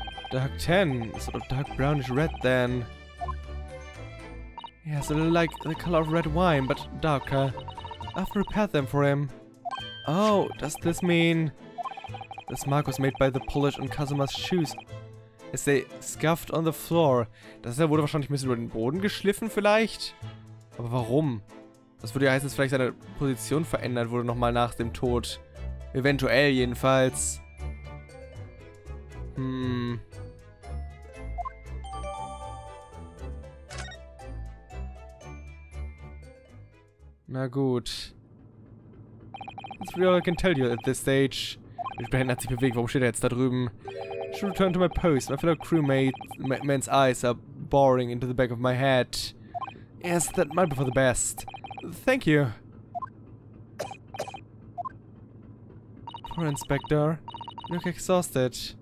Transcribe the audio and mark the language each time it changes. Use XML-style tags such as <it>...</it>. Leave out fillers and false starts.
<en>Dark tan? Sort of dark brownish red, then. Yes, a little like the color of red wine, but darker. I've repaired them for him. Oh, does this mean... This mark was made by the polish on Kazuma's shoes. As they scuffed on the floor.</en> <de>Das ist ja, wurde wahrscheinlich ein bisschen über den Boden geschliffen vielleicht. Aber warum? Das würde ja heißen, dass vielleicht seine Position verändert wurde nochmal nach dem Tod. Eventuell jedenfalls. Na gut.</de> <en>That's really all I can tell you at this stage.</en> <de>Ich bin hat sich bewegt, warum steht er jetzt da drüben?</de> <en>I should return to my post. My fellow crewmate's eyes are boring into the back of my head. Yes, that might be for the best. Thank you. Poor Inspector. Look exhausted.</en>